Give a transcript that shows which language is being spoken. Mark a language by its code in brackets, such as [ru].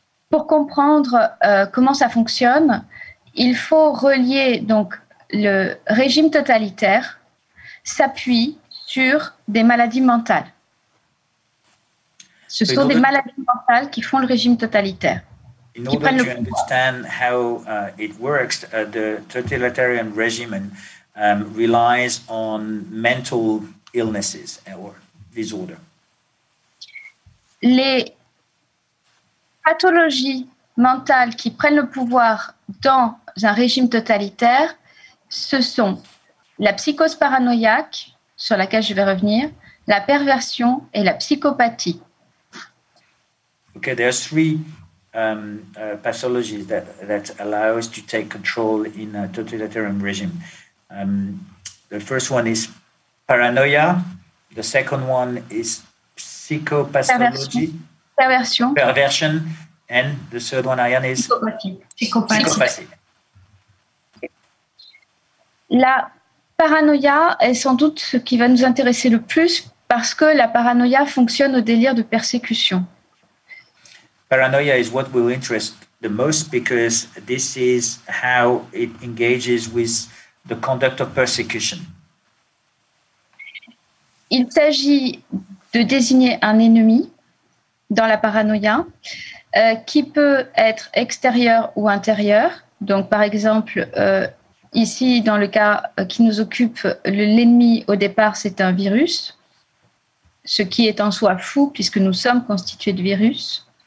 [fr] Pour comprendre comment ça fonctionne, il faut relier donc le régime totalitaire s'appuie sur des maladies mentales. Ce sont des maladies mentales qui font le régime totalitaire. [en] In order to understand how it works, the totalitarian regime relies on mental illnesses or disorder. [fr] Les pathologies mentales qui prennent le pouvoir dans un régime totalitaire, ce sont la psychose paranoïaque, sur laquelle je vais revenir, la perversion et la psychopathie. [en] Okay, there are three pathologies that allow us to take control in a totalitarian regime. The first one is paranoia. The second one is psychopathology. Perversion. Perversion. And the third one, Ariane, is [fr] psychopathie. La paranoïa est sans doute ce qui va nous intéresser le plus parce que la paranoïa fonctionne au délire de persécution. [en] Paranoia is what will interest the most because this is how it engages with the conduct of persecution. [fr] Il s'agit de désigner un ennemi dans la paranoïa qui peut être extérieur ou intérieur. Donc, par exemple, ici, dans le cas qui nous occupe, l'ennemi, au départ, c'est un virus, ce qui est en soi fou puisque nous sommes constitués de virus.